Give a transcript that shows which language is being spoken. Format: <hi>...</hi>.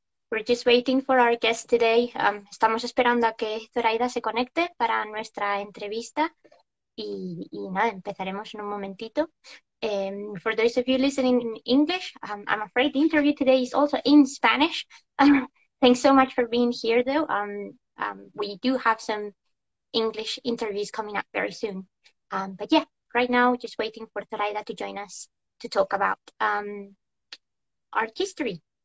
<en>We're just waiting for our guest today.</en> <es>Estamos esperando a que Zoraida se conecte para nuestra entrevista. Y nada, empezaremos en un momentito.</es> <en>For those of you listening in English, I'm afraid the interview today is also in Spanish. Thanks so much for being here, though. We do have some English interviews coming up very soon. But yeah, right now, just waiting for Zoraida to join us to talk about art history.</en>